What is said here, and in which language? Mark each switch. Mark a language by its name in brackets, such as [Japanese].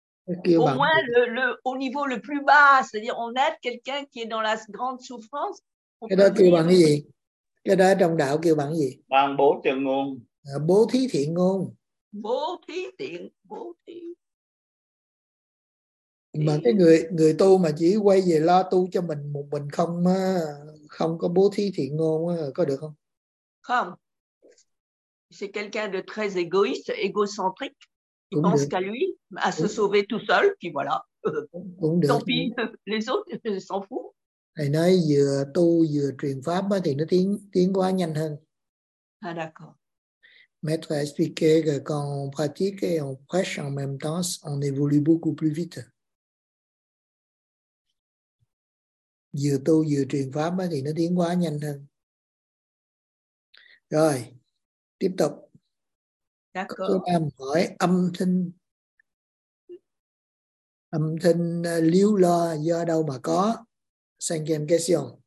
[French] Au moins le au niveau le plus bas, c'est-à-dire on aide quelqu'un qui est dans la grande souffrance. [Vietnamese] Cái đó kêu bằng cái gì? Cái đó trong đạo kêu bằng cái gì? Bằng bố thí ngôn. À, bố thí thiện ngôn. Bố thí thiện, bố thí. Mà cái người tu mà chỉ quay về lo tu cho mình một mình không có bố thí thiện ngôn có được không? Không. [French] C'est quelqu'un de très égoïste, égocentrique. Il pense qu'à lui, à se sauver tout seul, puis voilà. [Vietnamese] Cũng được. [French] Tant pis, les autres s'en foutent. [Vietnamese] Thầy nói vừa tu vừa truyền pháp á, thì nó tiến quá nhanh hơn. [French] À, d'accord. Maître a expliqué que quand on pratique et on prêche en même temps, on évolue beaucoup plus vite. [Vietnamese] Vừa tu vừa truyền pháp á, thì nó tiến quá nhanh hơn. Rồi, tiếp tục. [French] D'accord. [Vietnamese] Câu em hỏi âm thanh líu lo do đâu mà có? [French] Cinquième question.